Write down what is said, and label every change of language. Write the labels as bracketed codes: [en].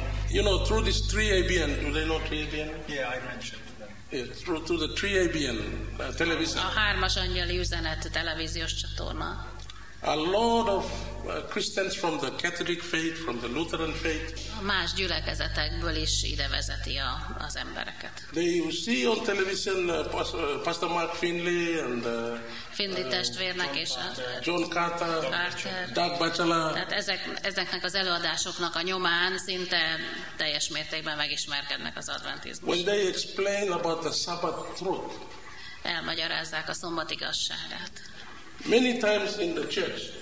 [en] You know, through this 3ABN, do they know 3ABN? Yeah, I mentioned. Yeah, through the 3ABN television. [hu] A hármas angyali üzenet televíziós csatorna. [en] A lot of Christians from the Catholic faith, from the Lutheran faith. [hu] Más gyülekezetekből is ide vezeti az embereket. [en] They see on television Pastor Mark Finley and [hu] Finley testvérnek [en] John [hu] és [en] Carter, John Carter, Doug Bachelor. [hu] Tehát ezeknek az előadásoknak a nyomán szinte teljes mértékben megismerkednek az adventizmus. [en] When they explain about the Sabbath truth. [hu] Elmagyarázzák a szombat igazságát. [en] Many times in the church.